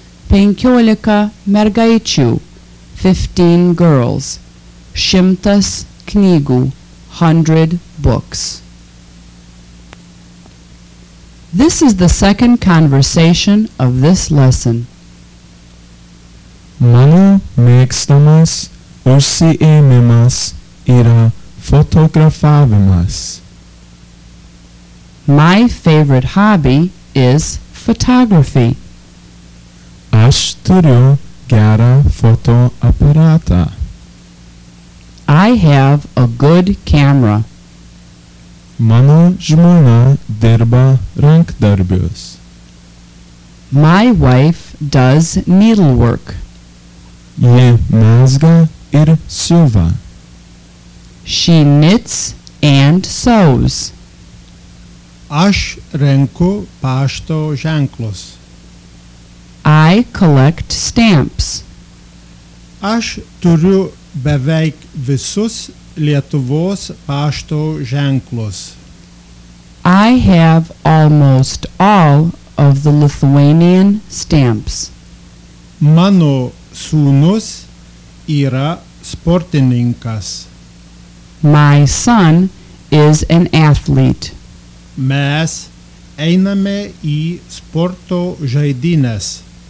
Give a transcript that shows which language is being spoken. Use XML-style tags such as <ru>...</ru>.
<lt>15 mergaičių,</lt> <en>15 girls.</en> <lt>Šimtas knygų,</lt> <en>100 books. This is the second conversation of this lesson.</en> <lt>Mano mėgstamas užsiėmimas yra fotografavimas.</lt> <en>My favorite hobby is photography.</en> <lt>Aš turiu gerą fotoaparatą.</lt> <en>I have a good camera.</en> <lt>Mano žmona dirba rankdarbius.</lt> <en>My wife does needlework.</en> <lt>Ji mezga ir siuva.</lt> <en>She knits and sews.</en> <lt>Aš renku pašto ženklus.</lt> <en>I collect stamps.</en> <lt>Aš turiu beveik visus Lietuvos pašto ženklus.</lt> <en>I have almost all of the Lithuanian stamps.</en> <lt>Mano sūnus yra sportininkas.</lt> <en>My son is an athlete.</en> <lt>Mes einame į sporto žaidynes.</lt>